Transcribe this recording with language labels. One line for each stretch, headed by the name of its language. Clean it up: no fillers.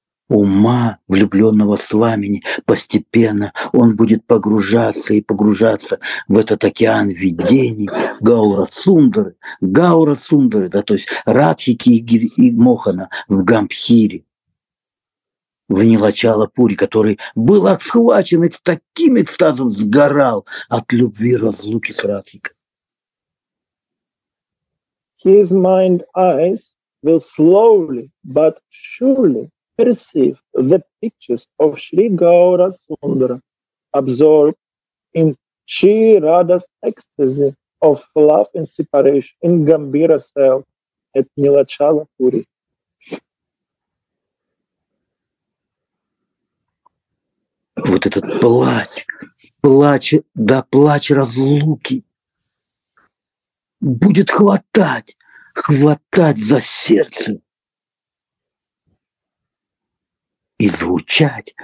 Russian: ума влюбленного с вами, постепенно он будет погружаться и погружаться в этот океан видений, Гаура-сундары, да, то есть Радхики и Мохана в Гамбхире, в Нилачала-пури, который был схвачен и с таким экстазом сгорал от любви разлуки с Радхикой.
English: His mind eyes will slowly but surely perceive the pictures of Shri Gaura Sundara absorbed in Shri Radha's ecstasy of love and separation in Gambira cell at Nilachala-puri.
Russian: Вот этот плач, да, плач разлуки будет хватать за сердце и звучать.